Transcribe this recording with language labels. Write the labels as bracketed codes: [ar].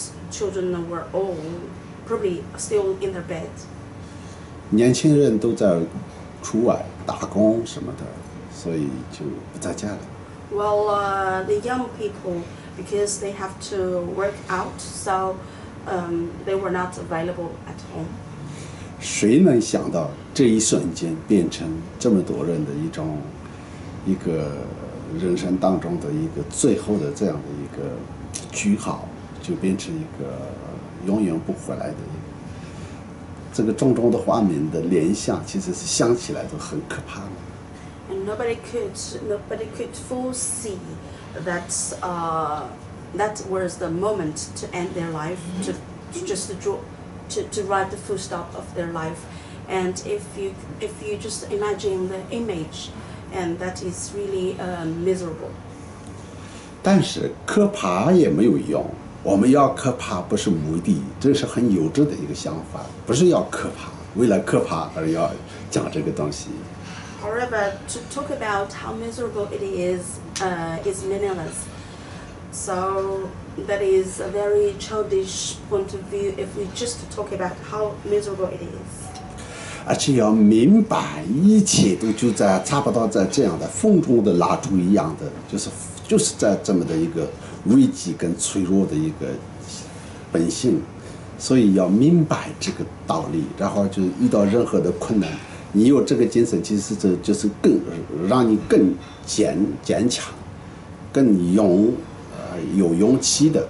[en] Children were all probably still in their bed. [zh] 年轻人都在出外打工什么的，所以就不在家了。 [en] Well, the young people, because they have to work out, so they were not available at home. [zh] 谁能想到这一瞬间变成这么多人的一个人生当中的一个最后的这样的一个句号，就变成一个永远不回来的一个。这个重重的画面的联想，其实是想起来都很可怕的。 [en] And nobody could foresee that was the moment to end their life, to write the full stop of their life. And if you just imagine the image, and that is really miserable. [zh] 但是可怕也没有用。我们要可怕不是目的，这是很幼稚的一个想法，不是要可怕，为了可怕而要讲这个东西。 [en] However, to talk about how miserable it is meaningless. So that is a very childish point of view if we just talk about how miserable it is. [zh] 而且要明白，一切都就在差不多在这样的风中的蜡烛一样的，就是在这么的一个。危机跟脆弱的一个本性，所以要明白这个道理，然后就遇到任何的困难，你有这个精神，其实就是更让你更坚强，更有勇气的。